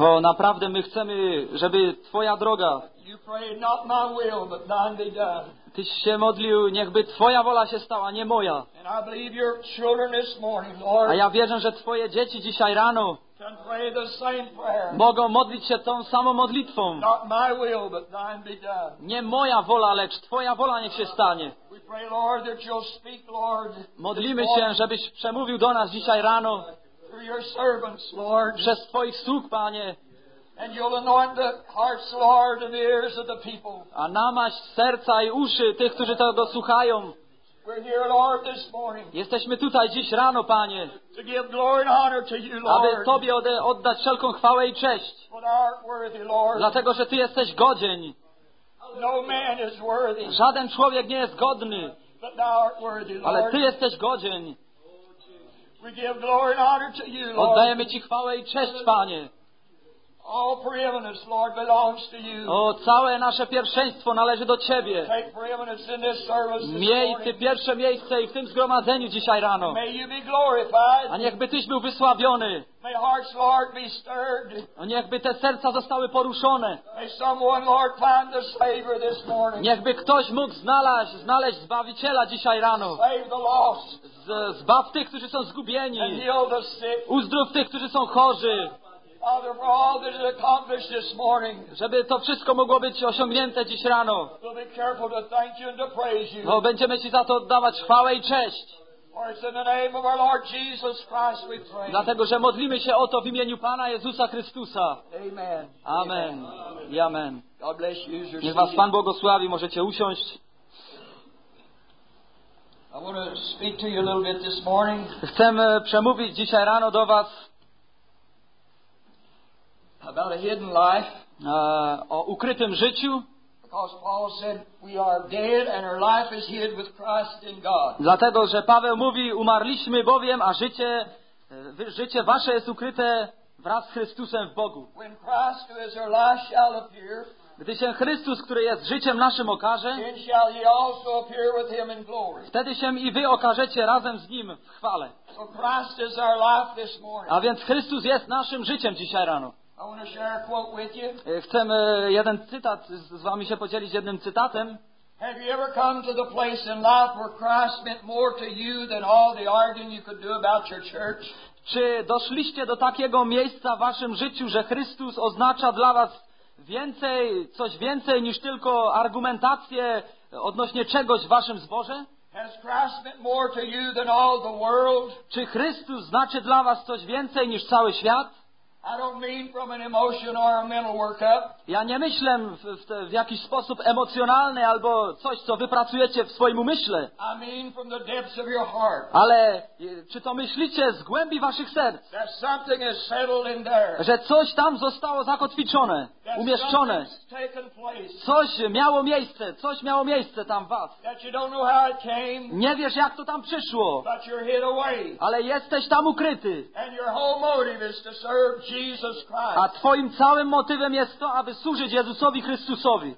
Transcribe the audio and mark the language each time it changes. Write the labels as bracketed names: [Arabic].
[Polish] O, naprawdę my chcemy, żeby Twoja droga, [English] you pray not my will, but thine be done. [Polish] Tyś się modlił, niechby Twoja wola się stała, nie moja. [English] And I believe your children this morning, Lord, [Polish] a ja wierzę, że Twoje dzieci dzisiaj rano [English] can pray the same prayer. [Polish] Mogą modlić się tą samą modlitwą. [English] Not my will, but thine be done. [Polish] Nie moja wola, lecz Twoja wola niech się stanie. [English] We pray, Lord, that you'll speak, Lord, [Polish] modlimy się, żebyś przemówił do nas dzisiaj rano [English] through your servants, Lord. [Polish] Przez Twoich sług, Panie. [English] And you'll anoint the hearts, Lord, and the ears of the people. [Polish] A namaść serca i uszy tych, którzy tego słuchają. [English] We're here, Lord, this morning. [Polish] Jesteśmy tutaj dziś rano, Panie. [English] To give glory and honor to you, Lord. [Polish] Aby Tobie oddać wszelką chwałę i cześć. [English] But art worthy, Lord. [Polish] Dlatego, że Ty jesteś godzien. [English] No man is worthy. [Polish] Żaden człowiek nie jest godny. [English] But thou art worthy, Lord. [Polish] Ale Ty jesteś godzien. [English] We give glory and honor to you, Lord. [Polish] Oddajemy Ci chwałę i cześć, Panie. [English] All preeminence, Lord, belongs to you. [Polish] O, całe nasze pierwszeństwo należy do Ciebie. [English] Take preeminence in this service this [Polish] miej Ty pierwsze miejsce i w tym zgromadzeniu dzisiaj rano. [English] May you be glorified. [Polish] A niechby Tyś był wysławiony. [English] May hearts, Lord, be stirred. [Polish] O, niechby te serca zostały poruszone. [English] May someone, Lord, find the Savior this morning. [Polish] Niechby ktoś mógł znaleźć Zbawiciela dzisiaj rano. [English] Save the lost. [Polish] Zbaw tych, którzy są zgubieni. [English] And heal the sick. [Polish] Uzdrów tych, którzy są chorzy. [English] Father, for all that is accomplished this morning, [Polish] żeby to wszystko mogło być osiągnięte dziś rano. [English] We'll be careful to thank you and to praise you. [Polish] No, będziemy Ci za to oddawać chwałę i cześć. [English] For it's in the name of our Lord Jesus Christ we pray. [Polish] Dlatego, że modlimy się o to w imieniu Pana Jezusa Chrystusa. [English] Amen. [Polish] Amen. [English] Amen. [Polish] I amen. [English] God bless you. [Polish] Niech Was Pan błogosławi. Możecie usiąść. [English] I want to speak to you a little bit this morning. [Polish] Chcę przemówić dzisiaj rano do Was [English] about a hidden life. [Polish] O ukrytym życiu. [English] Because Paul said we are dead and our life is hid with Christ in God. [Polish] Dlatego, że Paweł mówi, umarliśmy bowiem, a życie wasze jest ukryte wraz z Chrystusem w Bogu. [English] When Christ, who is our life, shall appear, [Polish] gdy się Chrystus, który jest życiem naszym, okaże, [English] then shall he also appear with him in glory. [Polish] Wtedy się i wy okażecie razem z Nim w chwale. [English] So Christ is our life this morning. [Polish] A więc Chrystus jest naszym życiem dzisiaj rano. [English] I want to share a quote with you. [Polish] Chcę jeden cytat z wami się podzielić jednym cytatem. [English] Have you ever come to the place in life where Christ meant more to you than all the arguing you could do about your church? [Polish] Czy doszliście do takiego miejsca w waszym życiu, że Chrystus oznacza dla was więcej, coś więcej niż tylko argumentację odnośnie czegoś w waszym zborze? [English] Has Christ meant more to you than all the world? [Polish] Czy Chrystus znaczy dla was coś więcej niż cały świat? [English] I don't mean from an emotion or a mental workup. [Polish] Ja nie myślę w jakiś sposób emocjonalny albo coś, co wypracujecie w swoim umyśle. [English] I mean from the depths of your heart. [Polish] Ale czy to myślicie z głębi waszych serc? [English] That something is settled in there. [Polish] Że coś tam zostało zakotwiczone, [English] that [Polish] umieszczone. [English] Something's taken place. [Polish] Coś miało miejsce tam w was. [English] That you don't know how it came. [Polish] Nie wiesz, jak to tam przyszło. [English] But you're hid away. [Polish] Ale jesteś tam ukryty. [English] And your whole motive is to serve Jesus Christ. [Polish] A twoim całym motywem jest to, aby służyć Jezusowi Chrystusowi.